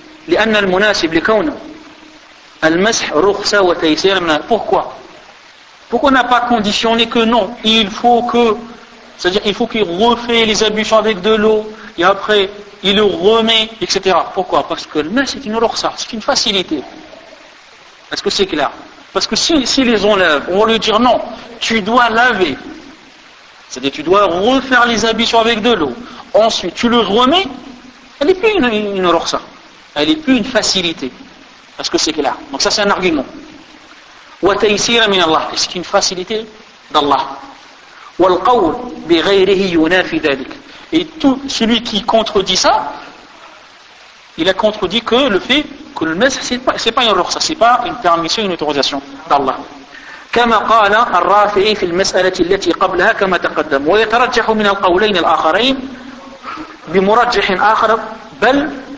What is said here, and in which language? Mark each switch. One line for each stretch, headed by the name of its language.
Arabic: لأن المناسب لكون المسح رخصة وتيسير من
French: pourquoi on n'a pas conditionné que non il faut que c'est à dire il faut qu'il refait les ablutions avec de l'eau et après il le remet etc. pourquoi parce que le masque c'est une rukhsa, c'est une facilité. Est-ce que c'est clair? Parce que si les enlèvent, on va lui dire non, tu dois laver. C'est-à-dire tu dois refaire les ablutions avec de l'eau. Ensuite, tu le remets, elle n'est plus une rukhsa. Elle n'est plus une facilité. Est-ce que c'est clair? Donc ça c'est un argument.
Arabic: Wa taysira min Allah,
French: c'est une facilité d'Allah.
Arabic: Wal qawl bi ghayrihi yunafi dhalik.
French: Et tout celui qui contredit ça, il a contredit que le fait que le masah c'est pas une rukhsa, c'est pas une permission, une autorisation d'Allah.
Arabic: كما قال الرافعي في المسألة التي قبلها كما تقدم ويترجح من القولين الآخرين بمرجح آخر بل